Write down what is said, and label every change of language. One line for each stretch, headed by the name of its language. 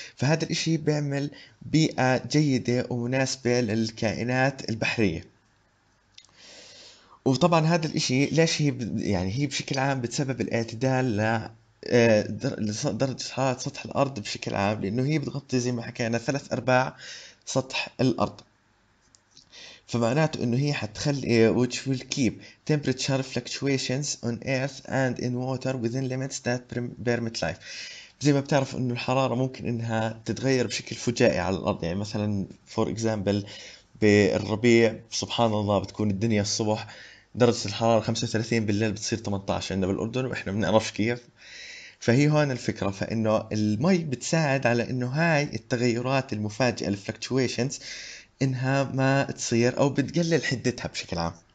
Arabic: فهذا الاشي بيعمل بيئة جيدة ومناسبة للكائنات البحرية. وطبعا هذا الاشي ليش هي يعني هي بشكل عام بتسبب الاعتدال لدرجة حرارة سطح الارض بشكل عام، لانه هي بتغطي زي ما حكينا ثلاث ارباع سطح الارض. فمعناته انه هي حتخلي
English: which will keep temperature fluctuations on earth and in water within limits that permit life.
Arabic: زي ما بتعرف انه الحرارة ممكن انها تتغير بشكل فجائي على الارض، يعني مثلا
English: for example
Arabic: بالربيع سبحان الله بتكون الدنيا الصبح درجة الحرارة 35 بالليل بتصير 18 عندنا بالاردن واحنا بنعرفش كيف. فهي هون الفكرة، فانه المي بتساعد على انه هاي التغيرات المفاجئة الـ fluctuations انها ما تصير او بتقلل حدتها بشكل عام.